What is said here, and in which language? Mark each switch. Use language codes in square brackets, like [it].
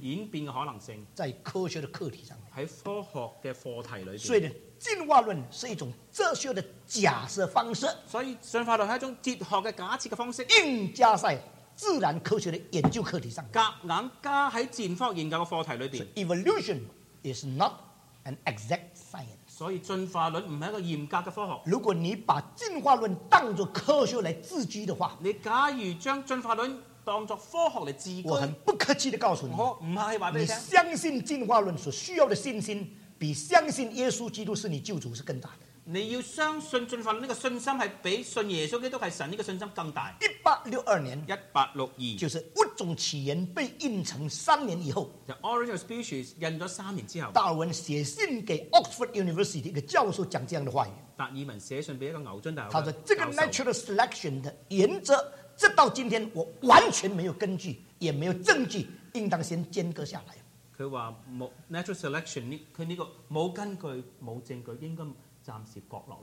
[zh] 演变的可能性在科学的课题上，在科学的课题里面。所以呢，进化论是一种哲学的假设方式，所以进化论是一种哲学的假设的方式，硬加在自然科学的研究课题上，夹硬加在进化研究的课题里面。 [en] So, evolution is not an exact science. [zh] 所以进化论不是一个严格的科学。如果你把进化论当作科学来自居的话，你假如将进化论当作科学来自居，我很不客气地告诉你，我不是告诉你，你相信进化论所需要的信心比相信耶稣基督是你救主是更大的。你要相信进化论这个信心是比信耶稣基督是神这个信心更大。 1862年就是物种起源被印成三年以后， The Origin of Species 印了三年之后，达尔文写信给 Oxford University 一个教授讲这样的话语，达尔文写信给一个牛津大学，他说这个 Natural Selection 的原则直到今天我完全没有根据也没有证据，应当先间隔下来。他说 Natural Selection 他这个没根据没证据应该暂时搁落。